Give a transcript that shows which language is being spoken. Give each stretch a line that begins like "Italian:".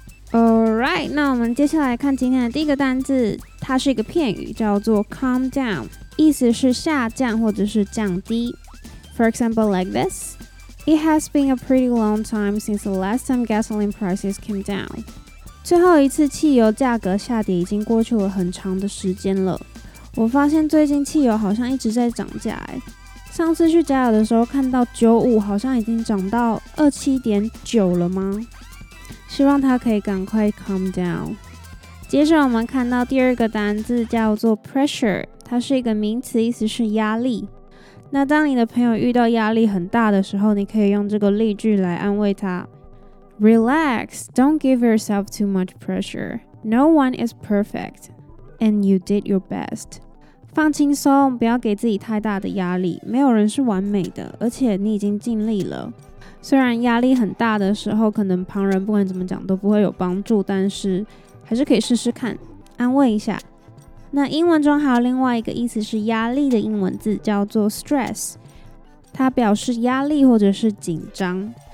Chinese: Alright, 那我们接下来看今天的第一个单字，它是一个片语，叫做 calm down， 意思是下降或者是降低。
English: For example, like this. It has been a pretty long time since the last time gasoline prices came down.
Chinese: 最后一次汽油价格下跌已经过去了很长的时间了。我发现最近汽油好像一直在涨价耶。上次去加油的时候看到95好像已经涨到 27.9 了吗？希望它可以赶快 calm down。接着我们看到第二个单字叫做 pressure， 它是一个名词，意思是压力。那当你的朋友遇到压力很大的时候，你可以用这个例句来安慰他。
English: Relax, don't give yourself too much pressure. No one is perfect, and you did your best.
Chinese: 放轻松，不要给自己太大的压力，没有人是完美的，而且你已经尽力了。虽然压力很大的时候，可能旁人不管怎么讲都不会有帮助，但是还是可以试试看，安慰一下。那英文中还有另外一个意思是压力的英文字叫做 stress， 它表示压力或者是紧张。